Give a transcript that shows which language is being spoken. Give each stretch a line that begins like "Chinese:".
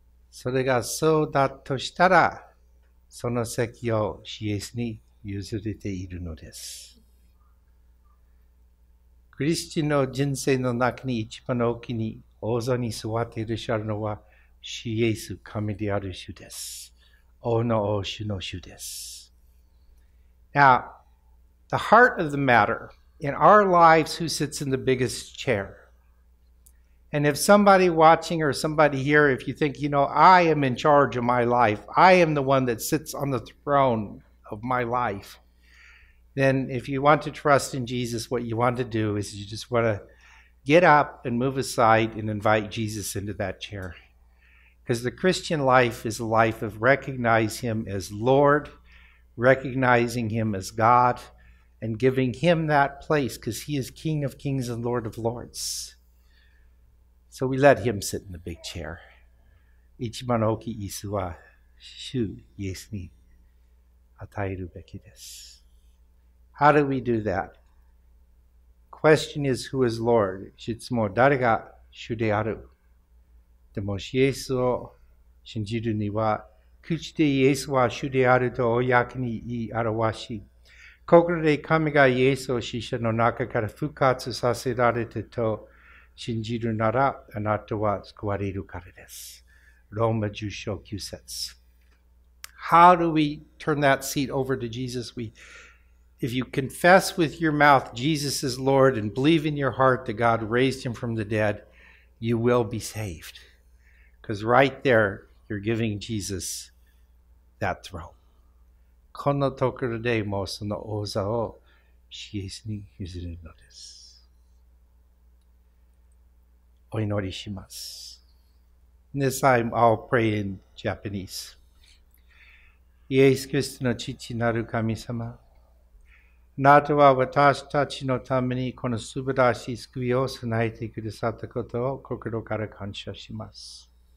Japanese: それがそうだとしたら、その席をシエスに譲れているのです。クリスチンの人生の中に一番大きな王座に座っていらっしゃるのは、主イエス、神である主です。王の王、主の主です。
English: Now, the heart of the matter, in our lives, who sits in the biggest chair? And if somebody watching or somebody here, if you think, you know, I am in charge of my life, I am the one that sits on the throne of my life,then if you want to trust in Jesus, what you want to do is you just want to get up and move aside and invite Jesus into that chair. Because the Christian life is a life of recognizing Him as Lord, recognizing Him as God, and giving Him that place because He is King of kings and Lord of lords. So we let Him sit in the big chair.
Japanese: 一番大きい椅子は主イエスに与えるべきです。
English: How do we do that? Question is, who is Lord?
Japanese: いつも誰が主である。でも、イエスを信じるには、口でイエスは主であると公に言い表し、心で神がイエスを死者の中から復活させられてと信じるなら、あなたは救われるからです。ローマ10章9節。
English: How do we turn that seat over to Jesus? If you confess with your mouth Jesus is Lord and believe in your heart that God raised him from the dead, you will be saved. Because right there, you're giving Jesus that throne.
Japanese: このところでもその王座をイエスに譲るのです。お祈りします。
English: This time I'll pray in Japanese.
Japanese: イエスキリストの父なる神様、あなたは私たちのためにこの素晴らしい救いを備えてくださったことを心から感謝します。